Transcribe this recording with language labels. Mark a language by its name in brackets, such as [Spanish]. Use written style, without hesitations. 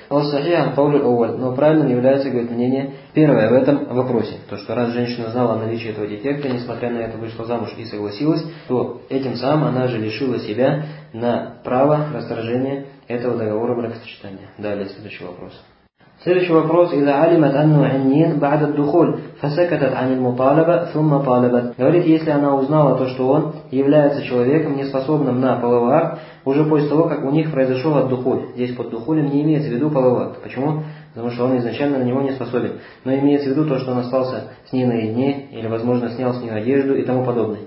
[Russian] Но правильным является, говорит, мнение первое в этом вопросе, то, что раз женщина знала о наличии этого дефекта, несмотря на это вышла замуж и согласилась, то этим самым она же лишила себя на право расторжения этого договора бракосочетания. Далее, следующий вопрос. Следующий вопрос. [Arabic] إذا علمت أنه عنين بعد الدخول فسكتت عن المطالبة ثم طالبت. [Russian] Говорит, если она узнала то, что он является человеком, неспособным на половой акт, уже после того, как у них произошел отдухуль. Здесь под духулем не имеется в виду половой акт. Почему? Потому что он изначально на него не способен. Но имеется в виду то, что он остался с ней наедине, или, возможно, снял с нее одежду и тому подобное.